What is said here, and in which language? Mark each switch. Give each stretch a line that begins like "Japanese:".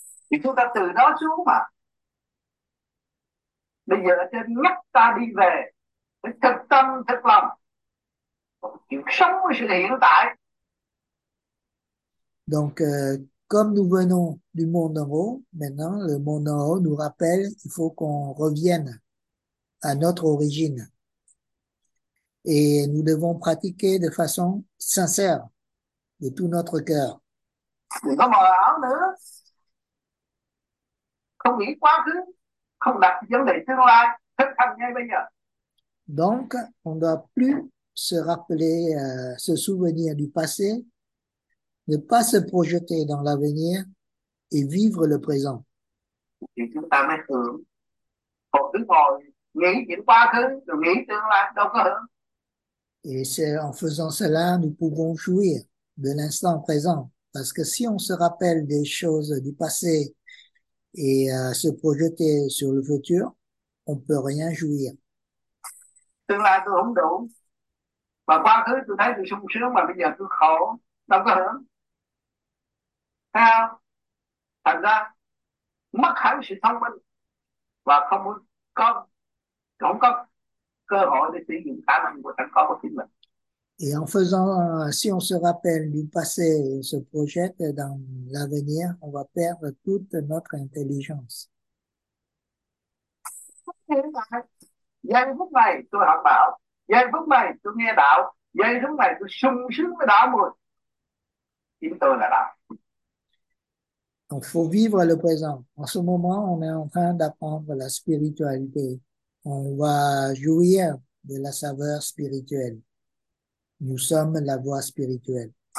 Vietnamese: Thì chúng ta từ đó xuống mà. Bây giờ là trên nhắc ta đi về với thực tâm, thực lòng. Còn chịu sống với sự hiện tại.
French: Donc, comme nous venons du monde en haut, maintenant le monde en haut nous rappelle qu'il faut qu'on revienne à notre origine. Et nous devons pratiquer de façon sincère, de tout notre cœur.
Vietnamese: Đừng có mờ ảo nữa. Không nghĩ quá khứ, không đặt vấn đề tương lai, thực hành ngay bây giờ.
French: Donc, on ne doit plus se rappeler, se souvenir du passé. Ne pas se projeter dans l'avenir et vivre le présent.
Vietnamese: Thì chúng ta mới hưởng. Còn cứ ngồi nghĩ chuyện quá khứ, rồi nghĩ tương lai, đâu có hưởng.
French: Et c'est en faisant cela, nous pouvons jouir de l'instant présent. Parce que si on se rappelle des choses du passé et se projeter sur le futur, on ne peut rien jouir.
Vietnamese: Tương lai tôi không đủ, mà quá khứ tôi thấy tôi sung sướng, mà bây giờ tôi khổ, đâu có hưởng. Thấy không? Thành ra mất hẳn sự thông minh và không có cơ hội để sử dụng khả năng của sẵn có của chính mình.
French: Et en faisant, si on se rappelle du passé et se projette dans l'avenir, on va perdre toute notre intelligence.
Vietnamese: Giây phút này tôi học đạo, giây phút này tôi nghe đạo, giây phút này tôi sung sướng với đạo rồi. Chính tôi là đạo.
French: Donc, il faut vivre le présent. En ce moment, on est en train d'apprendre la spiritualité. On va jouir de la saveur spirituelle. Nous sommes la voie spirituelle.